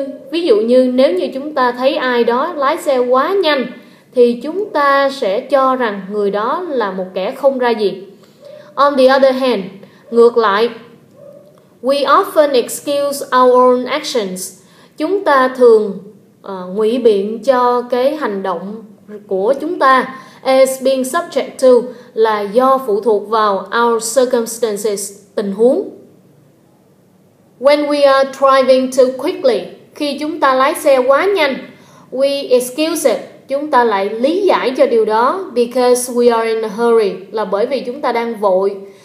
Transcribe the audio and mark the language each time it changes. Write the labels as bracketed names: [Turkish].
[Vietnamese] Ví dụ như chúng ta thấy ai đó lái xe quá nhanh, thì chúng ta sẽ cho rằng người đó là một kẻ không ra gì. [English] On the other hand, [Vietnamese] ngược lại, [English] we often excuse our own actions. [Vietnamese] Chúng ta thường ngụy biện cho cái hành động của chúng ta [English] as being subject to [Vietnamese] là do phụ thuộc vào [English] our circumstances, [Vietnamese] tình huống. [English] When we are driving too quickly, [Vietnamese] khi chúng ta lái xe quá nhanh, [English] we excuse it, [Vietnamese] chúng ta lại lý giải cho điều đó [English] because we are in a hurry, [Vietnamese] là bởi vì chúng ta đang vội.